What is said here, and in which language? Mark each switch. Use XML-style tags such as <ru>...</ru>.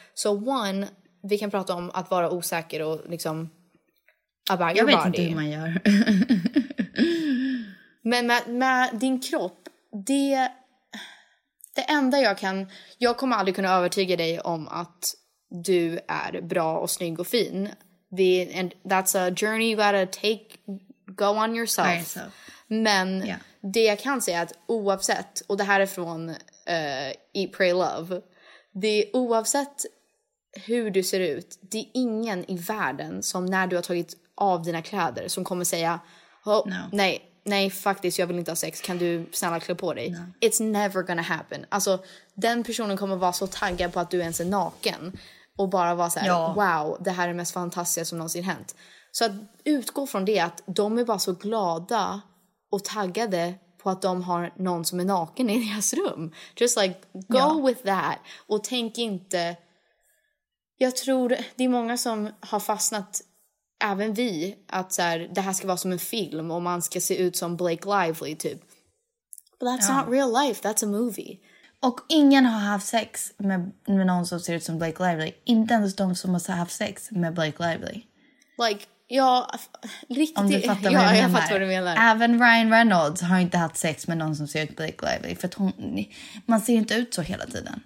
<sv>Så one, vi kan prata om att vara osäker och liksom... Jag vet inte hur man gör. Men med din kropp, det enda jag kan... Jag kommer aldrig kunna övertyga dig om att du är bra och snygg och fin.</sv> <en>That's a journey you gotta take, go on yourself. Right, so.</en> <sv>Men yeah. Det jag kan säga är att oavsett, och det här är från Eat, Pray, Love. Det är oavsett hur du ser ut, det är ingen i världen som när du har tagit av dina kläder som kommer säga, oh, nej. Nej, faktiskt, jag vill inte ha sex. Kan du snälla klä på dig?</sv> <en>No. It's never gonna happen.</en> <sv>Alltså, den personen kommer vara så taggad på att du ens är naken. Och bara vara så här, wow, det här är det mest fantastiska som någonsin hänt. Så att utgå från det att de är bara så glada och taggade på att de har någon som är naken i deras rum.</sv> <en>Just like, go with that.</en> <sv>Och tänk inte... Jag tror det är många som har fastnat... Även vi, att så här, det här ska vara som en film och man ska se ut som Blake Lively typ.</sv> <en>But that's not real life, that's a movie.</en> <sv>Och ingen har haft sex med någon som ser ut som Blake Lively. Inte ens de som har haft sex med Blake Lively. Like, ja, riktigt. Om du fattar vad jag fattar vad du menar. Även Ryan Reynolds har inte haft sex med någon som ser ut Blake Lively. För man ser inte ut så hela tiden.</sv>